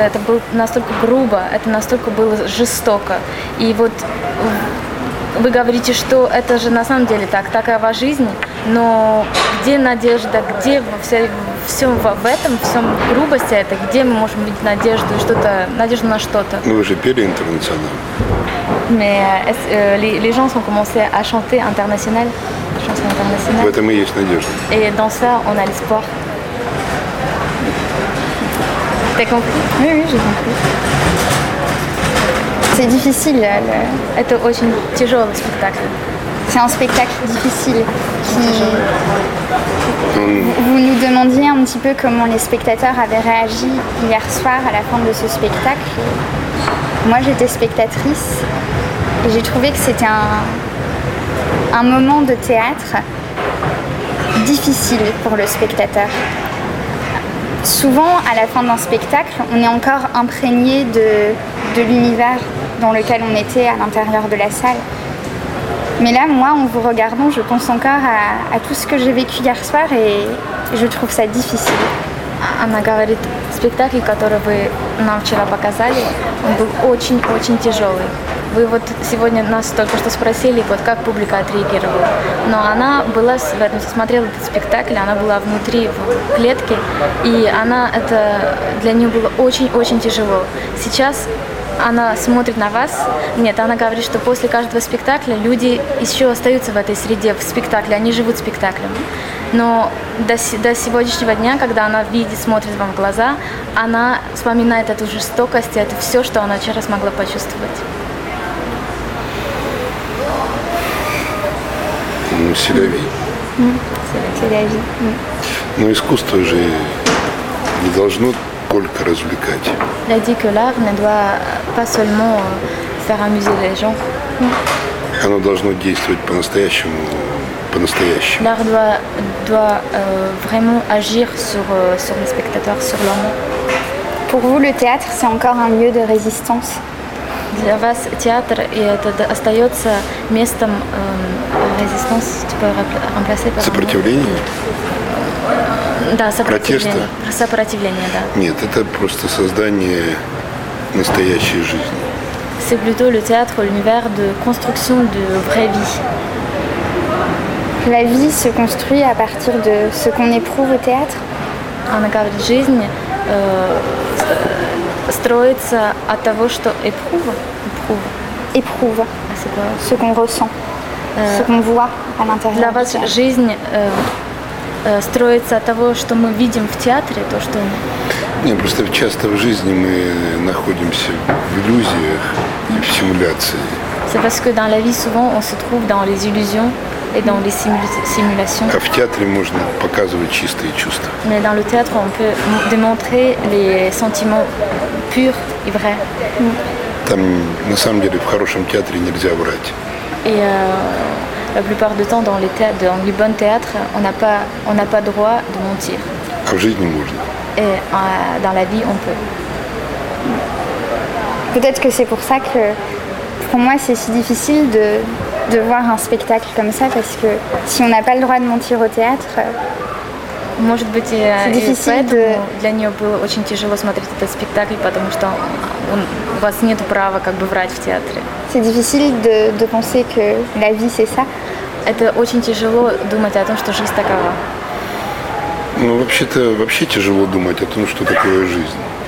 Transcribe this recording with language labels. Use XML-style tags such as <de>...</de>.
<ru>Это было настолько грубо, это настолько было жестоко. И вот вы говорите, что это же на самом деле так, такова жизнь, но где надежда, где все в этом, в всем грубости это, где мы можем видеть надежду, что-то, надежду на что-то? Ну, вы же пели интернационал.</ru> <fr>Mais les gens ont commencé à chanter international, chanson internationale.</fr> <ru>В этом и есть надежда.</ru> <fr>Et dans ça, on a l'espoir. T'as compris? Oui, j'ai compris. C'est difficile.</fr> <ru>Это очень тяжелый спектакль.</ru> <fr>C'est un spectacle difficile qui... Vous nous demandiez un petit peu comment les spectateurs avaient réagi hier soir à la fin de ce spectacle. Moi, j'étais spectatrice et j'ai trouvé que c'était un moment de théâtre difficile pour le spectateur. Souvent, à la fin d'un spectacle, on est encore imprégné de l'univers dans lequel on était à l'intérieur de la salle. Mais là, moi, en vous regardant, je pense encore à tout ce que j'ai vécu hier soir et je trouve ça difficile.</fr> <ru>Она говорит, спектакль, который вы нам вчера показали, он был очень-очень тяжелый. Вы вот сегодня нас только что спросили, вот как публика отреагировала. Но она была, смотрела этот спектакль, она была внутри клетки, и она это для нее было очень-очень тяжело. Сейчас она смотрит на вас. Нет, она говорит, что после каждого спектакля люди еще остаются в этой среде, в спектакле, они живут спектаклем. Но до сегодняшнего дня, когда она видит, смотрит вам в глаза, она вспоминает эту жестокость, и это все, что она вчера смогла почувствовать.</ru> <fr>Ну, c'est la vie. C'est la vie.</fr> <ru>Ну, искусство же не должно только развлекать.</ru> <fr>Elle dit que l'art ne doit pas seulement faire amuser les gens.</fr> <ru>Оно должно действовать по-настоящему.</ru> <fr>L'art doit vraiment agir sur les spectateurs, sur l'homme. Pour vous, le théâtre, c'est encore un lieu de résistance.</fr> <ru>Для вас театр и это остается местом резистанс.</ru> <fr>Tu peux remplacer par</fr> <ru>сопротивление? Да, сопротивление. Протеста? Сопротивление, да. Нет, это просто создание настоящей жизни.</ru> <fr>C'est plutôt le théâtre, l'univers de construction de vraie vie. La vie se construit à partir de ce qu'on éprouve au théâtre.</fr> <ru>Она говорит, жизнь строится от того, что</ru> <fr>éprouve. C'est quoi? Ce qu'on ressent, ce qu'on voit à l'intérieur. La vie,</fr> <ru>жизнь строится от того, что мы видим в театре, то что. Не, просто часто в жизни мы находимся в иллюзиях и в симуляции.</ru> <fr>C'est parce que dans la vie souvent on se trouve dans les illusions. Et dans les simulations.</fr> <ru>А в театре можно показывать чистые чувства.</ru> <fr>Mais dans le théâtre, on peut démontrer les sentiments purs et vrais.</fr> <ru>Там на самом деле в хорошем театре нельзя врать.</ru> <fr>Et la plupart du temps dans les théâtres, dans les bons théâtres, on n'a pas droit de mentir.</fr> <ru>А в жизни можно.</ru> <fr>Et dans la vie, on peut. Peut-être que c'est pour ça que pour moi c'est si difficile de voir un spectacle comme ça, parce que si on n'a pas le droit de mentir au théâtre,</fr> <ru>может быть,</ru> <fr>c'est difficile de...</fr> <ru>Для нее было очень тяжело смотреть этот спектакль, потому что у вас нет права как бы врать в театре.</ru> <fr>C'est difficile de penser que la vie, c'est ça.</fr> <ru>это очень тяжело думать о том, что жизнь такова. Ну, вообще-то, вообще тяжело думать о том, что такое жизнь.</ru>